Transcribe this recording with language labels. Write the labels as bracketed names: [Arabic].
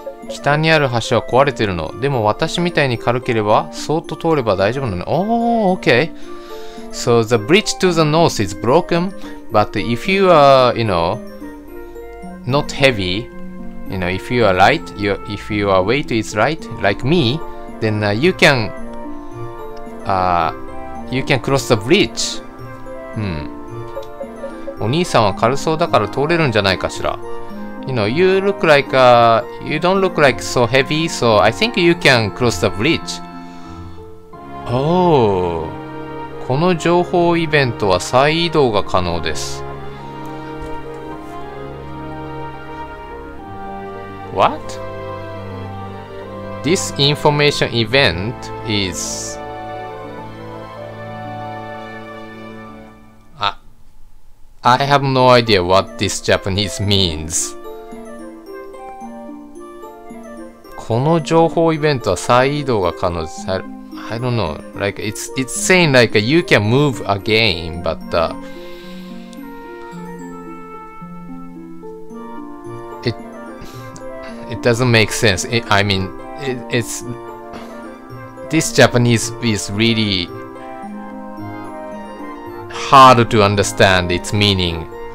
[Japanese] 北にある橋は壊れてるの。でも私みたいに軽ければそっと通れば大丈夫なの。 [English] Oh, okay. So the bridge to the north is broken. But if you are, you know, not heavy, you know, if you are light, if your weight is light, like me, then you can cross the bridge. Hmm. [Japanese] お兄さんは軽そうだから通れるんじゃないかしら。 [English] You know, you look like, you don't look like so heavy, so I think you can cross the bridge. Oh. [Japanese] この情報イベントは再移動が可能です。 [English] What? This information event is... I have no idea what this Japanese means. [Japanese] この情報イベントは再移動が可能です。 [English] I don't know. Like, it's saying like you can move again, but it doesn't make sense. It's this Japanese is really hard to understand its meaning.